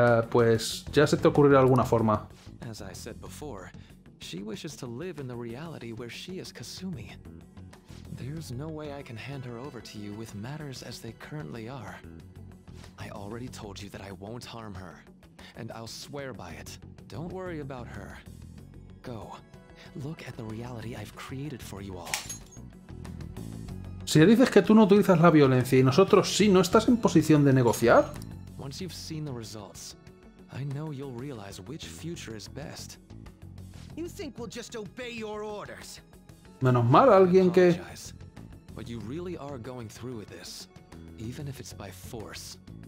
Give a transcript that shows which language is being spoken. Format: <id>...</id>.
<es>Pues ya se te ocurrirá alguna forma. Como he dicho antes, ella quiere vivir en la realidad donde ella es Kasumi.</es> <en>There's no way I can hand her over to you with matters as they currently are. I already told you that I won't harm her, and I'll swear by it. Don't worry about her. Go. Look at the reality I've created for you all.</en> <es>Si dices que tú no utilizas la violencia y nosotros sí, ¿no estás en posición de negociar?</es> <en>Once you've seen the results, I know you'll realize which future is best. You think we'll just obey your orders?</en> <es>Menos mal, alguien que...</es> <en>But you really are going through with this, even if it's by force.</en>